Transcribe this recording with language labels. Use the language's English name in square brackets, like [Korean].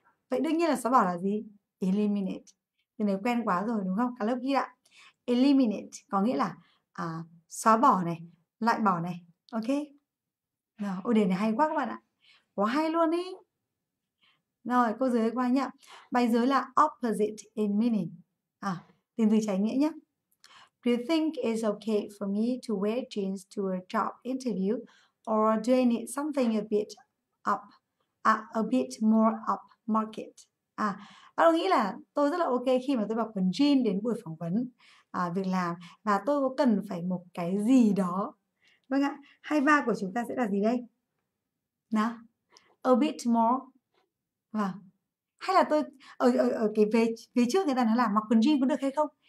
[Vietnamese] Vậy đương nhiên là xóa bỏ là gì? Eliminate. Thì này quen quá rồi đúng không? Cả lớp ghi ạ. Eliminate có nghĩa là xóa bỏ này, loại bỏ này. Ok. Rồi, ô đề này hay quá các bạn ạ. Quá hay luôn ý. Rồi, câu dưới qua nhá. Bài dưới là [English] opposite in meaning. [Vietnamese] Tìm từ trái nghĩa nhé. [English] Do you think it's okay for me to wear jeans to a job interview or do I need something a bit up, a bit more up market? [Vietnamese] Bạn nghĩ là tôi rất là ok khi mà tôi mặc quần jean đến buổi phỏng vấn việc làm và tôi có cần phải một cái gì đó. Vâng ạ, 23 của chúng ta sẽ là gì đây? Nào, [English] a bit more. [Vietnamese] Vâng. Hay là tôi ở cái về về trước người ta nói là mặc quần jean có được hay không?